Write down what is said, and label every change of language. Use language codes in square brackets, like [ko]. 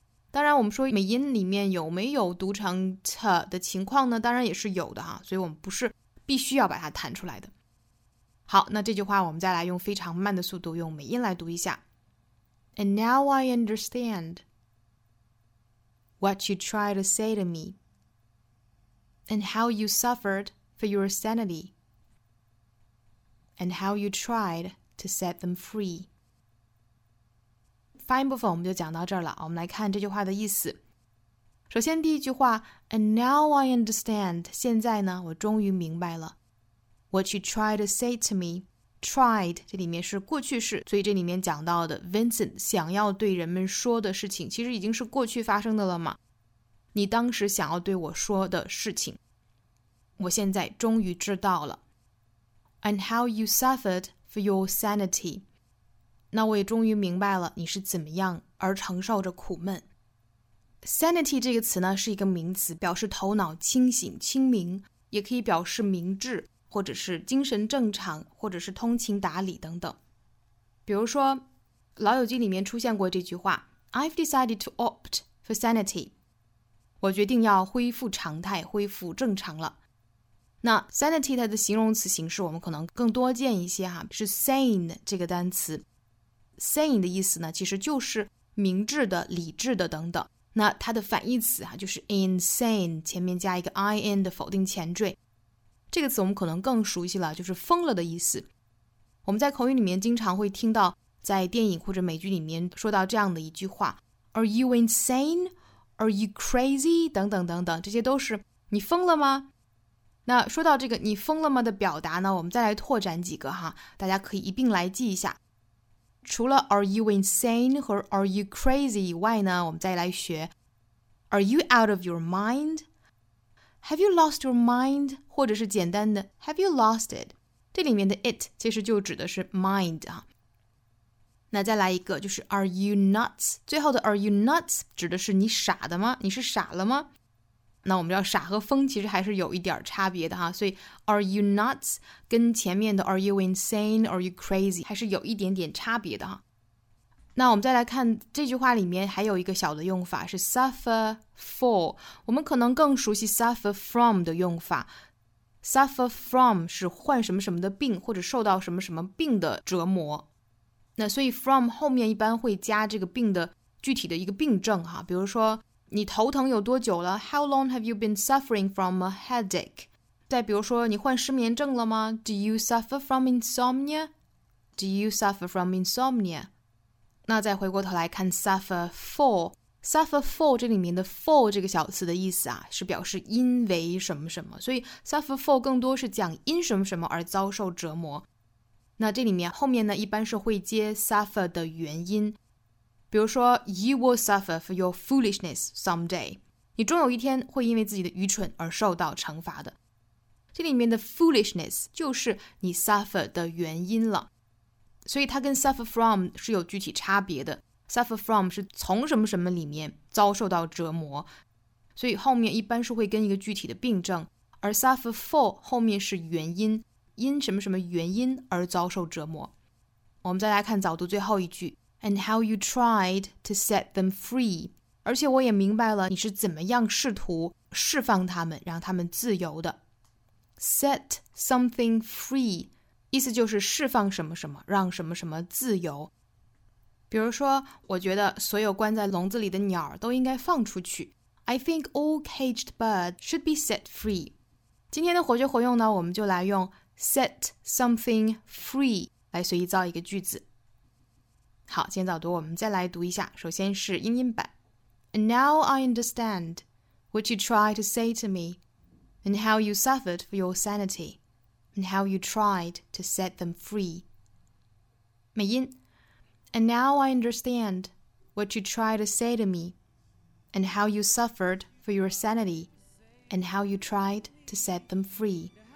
[zh] 当然我们说美音里面有没有读成 t 的情况呢当然也是有的哈所以我们不是必须要把它弹出来的。好那这句话我们再来用非常慢的速度用美音来读一下。 [en] And now I understand. What you tried to say to me, and how you suffered for your sanity. and how you tried to set them free. [zh] 发音部分我们就讲到这儿了，我们来看这句话的意思。首先第一句话 [en] And now I understand, [zh] 现在呢我终于明白了。 [en] What you tried to say to me, [zh] tried, 这里面是过去式，所以这里面讲到的 Vincent 想要对人们说的事情其实已经是过去发生的了嘛。你当时想要对我说的事情，我现在终于知道了。 [en] And how you suffered for your sanity. [zh] 那我也终于明白了你是怎么样而承受着苦闷。 Sanity 这个词呢是一个名词，表示头脑清醒清明，也可以表示明智，或者是精神正常，或者是通情达理等等。比如说老友记里面出现过这句话 [en] I've decided to opt for sanity， [zh] 我决定要恢复常态，恢复正常了。那 sanity 它的形容词形式我们可能更多见一些哈，是 sane 这个单词。 Sane 的意思呢其实就是明智的理智的等等，那它的反义词啊，就是 insane， 前面加一个 in 的否定前缀，这个词我们可能更熟悉了，就是疯了的意思。我们在口语里面经常会听到在电影或者美剧里面说到这样的一句话 [en] Are you insane? Are you crazy? [zh] 等等等等，这些都是你疯了吗？那说到这个你疯了吗的表达呢，我们再来拓展几个哈，大家可以一并来记一下。除了 [en] Are you insane [zh] 和 [en] Are you crazy [zh] 以外呢，我们再来学 [en] Are you out of your mind? Have you lost your mind? [zh] 或者是简单的 [en] Have you lost it? [zh] 这里面的 it 其实就指的是 mind 啊。那再来一个就是 [en] Are you nuts? [zh] 最后的 [en] Are you nuts? [zh] 指的是你傻的吗？你是傻了吗？那我们知道傻和疯其实还是有一点差别的哈，所以 [en] Are you nuts [zh] 跟前面的 [en] Are you insane? Are you crazy? [zh] 还是有一点点差别的哈。那我们再来看这句话里面还有一个小的用法是 suffer for， 我们可能更熟悉 suffer from 的用法。 suffer from 是患什么什么的病或者受到什么什么病的折磨，那所以 from 后面一般会加这个病的具体的一个病症哈，比如说你头疼有多久了 ？ [en] How long have you been suffering from a headache？ [zh] 再比如说，你患失眠症了吗 ？ [en] Do you suffer from insomnia？ Do you suffer from insomnia？ [zh] 那再回过头来看 suffer for， suffer for 这里面的 for 这个小词的意思啊，是表示因为什么什么，所以 suffer for 更多是讲因什么什么而遭受折磨。那这里面后面呢，一般是会接 suffer 的原因。比如说 [en] You will suffer for your foolishness someday， [zh] 你终有一天会因为自己的愚蠢而受到惩罚的。这里面的 foolishness 就是你 suffer 的原因了，所以它跟 suffer from 是有具体差别的。 suffer from 是从什么什么里面遭受到折磨，所以后面一般是会跟一个具体的病症，而 suffer for 后面是原因，因什么什么原因而遭受折磨。我们再来看早读最后一句 [en] And how you tried to set them free. [zh] 而且我也明白了你是怎么样试图释放他们，让他们自由的。 Set something free, 意思就是释放什么什么，让什么什么自由。比如说，我觉得所有关在笼子里的鸟儿都应该放出去。 [en] I think all caged birds should be set free. [zh] 今天的活学活用呢，我们就来用 set something free 来随意造一个句子。好，今天早读我们再来读一下，首先是英音版。 [en] And now I understand what you tried to say to me, and how you suffered for your sanity, and how you tried to set them free. [zh] 美音。 [en] And now I understand what you tried to say to me, and how you suffered for your sanity, and how you tried to set them free.